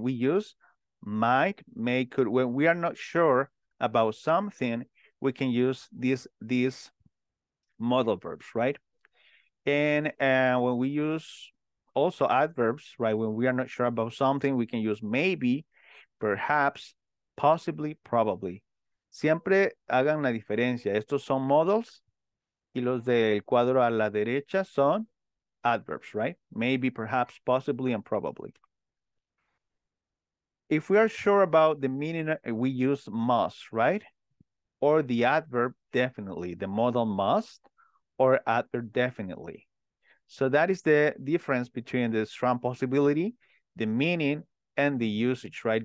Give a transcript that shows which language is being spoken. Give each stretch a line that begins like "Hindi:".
English: We use might, may, could. When we are not sure about something, we can use these modal verbs, right? And when we use also adverbs, right? When we are not sure about something, we can use maybe, perhaps, possibly, probably.
Spanish: Siempre hagan la diferencia. Estos son modals y los del cuadro a la derecha son adverbs, right?
English: Maybe, perhaps, possibly, and probably. If we are sure about the meaning, we use must, right? Or the adverb definitely, the modal must, or adverb definitely. So that is the difference between the strong possibility, the meaning, and the usage, right?